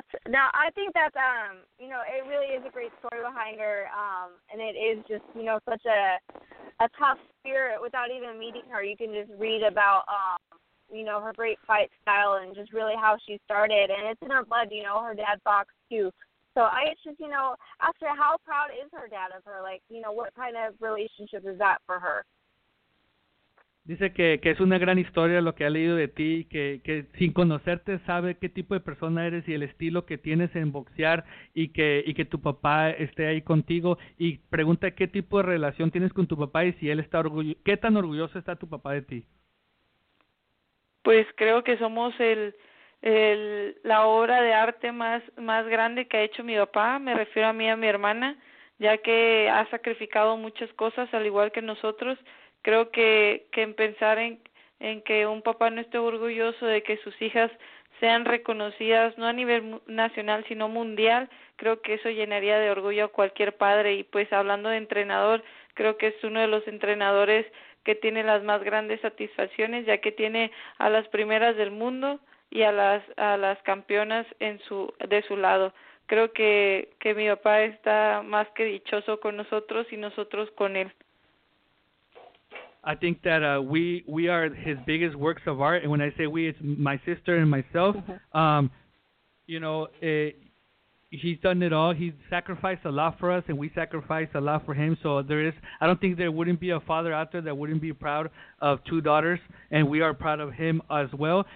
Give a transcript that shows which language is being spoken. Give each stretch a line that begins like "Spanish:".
English: Now, I think that, you know, it really is a great story behind her, and it is just, you know, such a tough spirit without even meeting her. You can just read about, you know, her great fight style and just really how she started, and it's in her blood, you know, her dad boxed too. So it's just, you know, Astrid, how proud is her dad of her? Like, you know, what kind of relationship is that for her?
Spanish: Dice que es una gran historia lo que ha leído de ti, que sin conocerte sabe qué tipo de persona eres y el estilo que tienes en boxear y que tu papá esté ahí contigo y pregunta qué tipo de relación tienes con tu papá y si él está orgulloso, qué tan orgulloso está tu papá de ti. Pues creo que somos la obra de arte más grande que ha hecho mi papá, me refiero a mí y a mi hermana, ya que ha sacrificado muchas cosas al igual que nosotros. Creo que en pensar en que un papá no esté orgulloso de que sus hijas sean reconocidas, no a nivel nacional, sino mundial, creo que eso llenaría de orgullo a cualquier padre. Y pues hablando de entrenador, creo que es uno de los entrenadores que tiene las más grandes satisfacciones, ya que tiene a las primeras del mundo y a las campeonas de su lado. Creo que mi papá está más que dichoso con nosotros y nosotros con él.
English: I think that we are his biggest works of art. And when I say we, it's my sister and myself. Mm-hmm. You know, he's done it all. He's sacrificed a lot for us, and we sacrificed a lot for him. So I don't think there wouldn't be a father out there that wouldn't be proud of two daughters, and we are proud of him as well.